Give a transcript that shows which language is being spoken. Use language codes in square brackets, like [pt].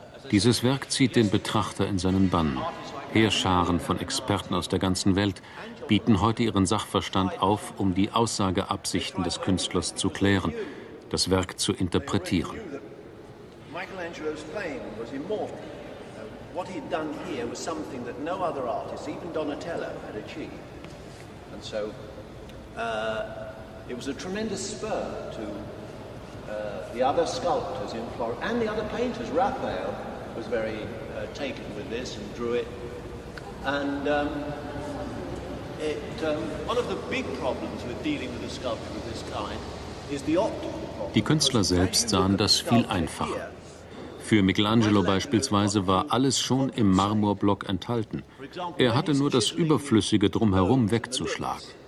[de] Dieses Werk zieht den Betrachter in seinen Bann. Heerscharen von Experten aus der ganzen Welt bieten heute ihren Sachverstand auf, um die Aussageabsichten des Künstlers zu klären, das Werk zu interpretieren. [en] Michelangelo's fame was immortal. What he'd done here was something that no other artist, even Donatello, had achieved. And so it was a tremendous spur to the other sculptors in Florence and the other painters. Raphael was very taken with this and drew it. And one of the big problems with dealing with a sculpture of this kind is the optical problem. [de] Die Künstler selbst sahen das viel einfacher. Für Michelangelo beispielsweise war alles schon im Marmorblock enthalten. Er hatte nur das Überflüssige drumherum wegzuschlagen.